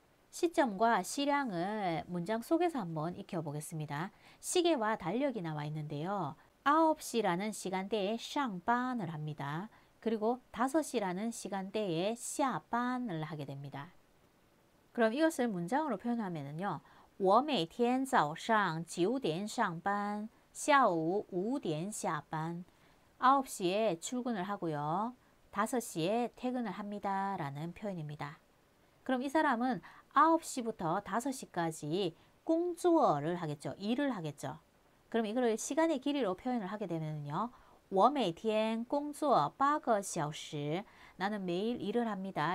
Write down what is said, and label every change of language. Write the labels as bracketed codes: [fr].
[ko] 시점과 시량을 문장 속에서 한번 익혀보겠습니다. 시계와 달력이 나와 있는데요. 9시라는 시간대에 샹반을 합니다. 그리고 5시라는 시간대에 샤반을 하게 됩니다. 그럼 이것을 문장으로 표현하면은요. [zh] 我每天早上9点上班, 下午5点下班. [ko] 9시에 출근을 하고요. 5시에 퇴근을 합니다라는 표현입니다. 그럼 이 사람은 9시부터 5시까지 공주어를 하겠죠. 일을 하겠죠. 그럼 이거를 시간의 길이로 표현을 하게 되면은요. [zh] 我每天工作8个小时. [ko] 나는 매일 일을 합니다.